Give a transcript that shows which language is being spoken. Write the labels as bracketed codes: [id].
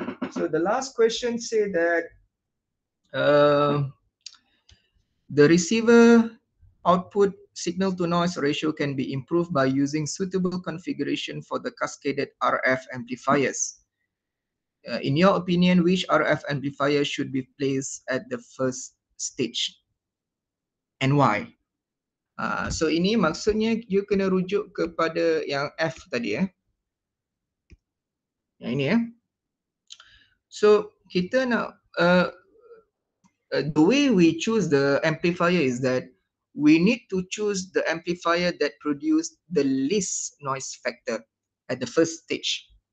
[en] So the last question say that the receiver output signal to noise ratio can be improved by using suitable configuration for the cascaded RF amplifiers. In your opinion, which RF amplifier should be placed at the first stage and why? [ms] So ini maksudnya you kena rujuk kepada yang F tadi ya. Yang ini ya. [en] So [ms] kita nak [en] the way we choose the amplifier is that we need to choose the amplifier that produce the least noise factor at the first stage.